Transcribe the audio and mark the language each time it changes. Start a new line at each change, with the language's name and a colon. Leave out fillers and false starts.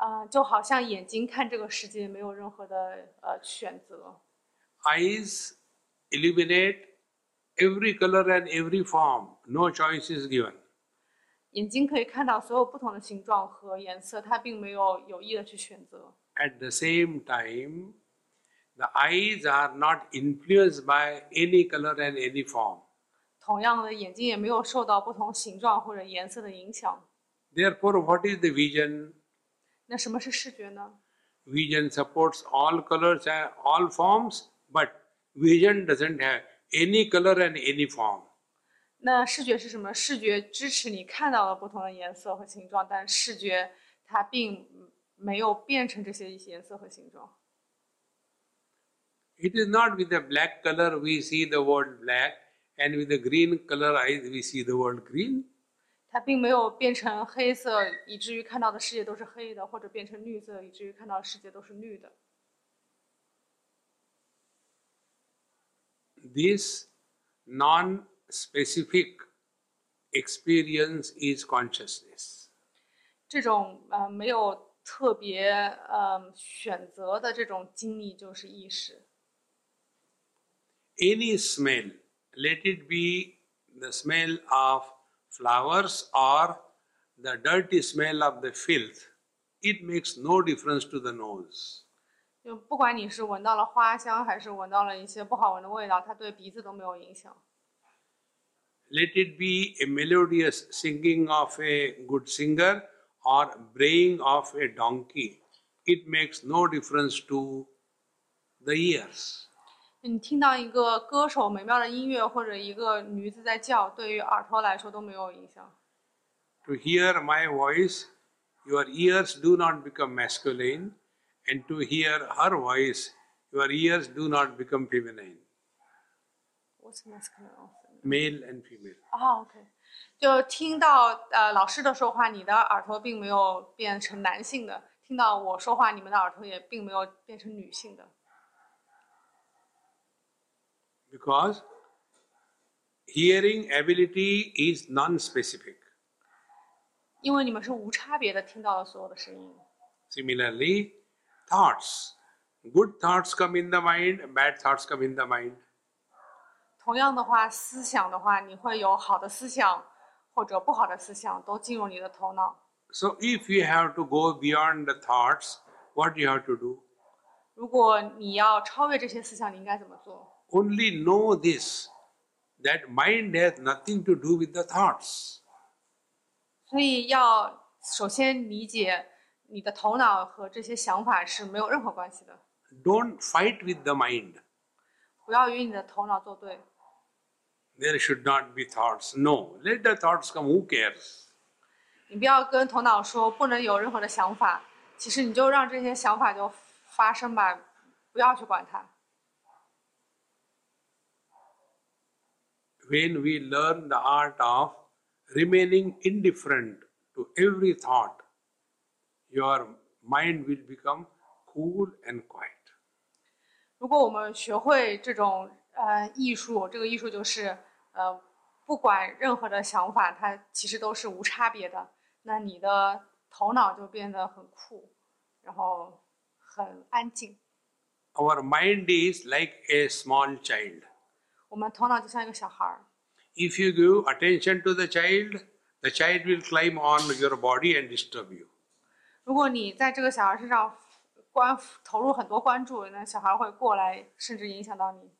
Chinese: 就好像眼睛看这个世界没有任何的选择。
English: Eyes illuminate every color and every form. No choice is given.
Chinese: 眼睛可以看到所有不同的形状和颜色，它并没有有意的去选择。
English: At the same time, the eyes are not influenced by any color and any form.
Chinese: 同样的，眼睛也没有受到不同形状或者颜色的影响。
English: Therefore, what is the vision?
Chinese: 那什么是视觉呢？
English: Vision supports all colors and all forms, but vision doesn't have any color and any form.
Chinese: 那视觉是什么？视觉支持你看到了不同的颜色和形状，但视觉它并没有变成这些颜色和形状。
English: It is not with the black color we see the world black, and with the green color eyes we see the world green.
Chinese: 它并没有变成黑色，以至于看到的世界都是黑的，或者变成绿色，以至于看到的世界都是绿的。
English: This non-specific experience is consciousness.
Chinese: 这种没有特别选择的这种经历就是意识。
English: Any smell, let it be the smell of flowers or the dirty smell of the filth, it makes no difference to the nose.
Chinese: 就不管你是闻到了花香还是闻到了一些不好闻的味道，它对鼻子都没有影响。
English: Let it be a melodious singing of a good singer or braying of a donkey, it makes no difference to the ears.
Chinese: 你听到一个歌手美妙的音乐或者一个女子在叫，对于耳朵来说都没有影响。
English: To hear my voice, your ears do not become masculine, and to hear her voice, your ears do not become feminine. What's masculine or feminine? Male and female. Ah, okay.
Chinese: 就听到老师的说话，你的耳朵并没有变成男性的；听到我说话，你们的耳朵也并没有变成女性的。
English: Because hearing ability is non-specific.
Chinese: 因为你们是无差别的听到了所有的声音。
English: Similarly, thoughts. Good thoughts come in the mind, bad thoughts come in the mind.
Chinese: 同样的话，思想的话，你会有好的思想或者不好的思想都进入你的头脑。
English: So if you have to go beyond the thoughts, what do you have to do?
Chinese: 如果你要超越这些思想，你应该怎么做？
English: Only know this, that mind has nothing to do with the thoughts.
Chinese: 所以要首先理解你的头脑和这些想法是没有任何关系的。
English: Don't fight with the mind.
Chinese: 不要与你的头脑作对。
English: There should not be thoughts. No, let the thoughts come, who cares?
Chinese: 你不要跟头脑说不能有任何的想法，其实你就让这些想法就发生吧，不要去管它。
English: When we learn the art of remaining indifferent to every thought, your mind will become cool and quiet.
Chinese: 如果我们学会这种艺术，这个艺术就是不管任何的想法，它其实都是无差别的。那你的头脑就变得很酷，然后很安静。
English: Our mind is like a small child.
Chinese: 我们头脑就像一个小孩。
English: If you give attention to the child will climb on your body and disturb you.
Chinese: 如果你在这个小孩身上投入很多关注，那小孩会过来，甚至影响到你。